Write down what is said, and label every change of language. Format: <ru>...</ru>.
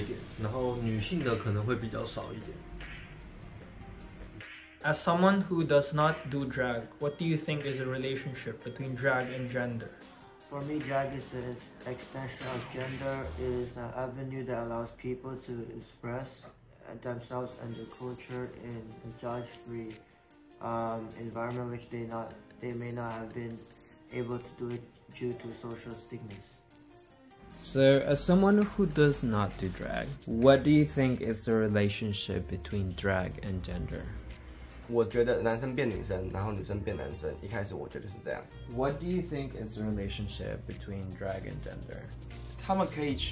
<zh>可能男性的drag会比较多一点，然后女性的可能会比较少一点。</zh> <en>As someone who does not do drag, what do you think is the relationship between drag and gender? For me, drag is an extension of gender. It is an avenue that allows people to express themselves and their culture in a judge-free environment, which they may not have been able to do it due to social stigmas. So, as someone who does not do drag, what do you think is the relationship between drag and gender?</en> <zh>我觉得男生变女生，然后女生变男生，一开始我觉得是这样。</zh> <en>What do you think is the relationship between drag and gender?</en>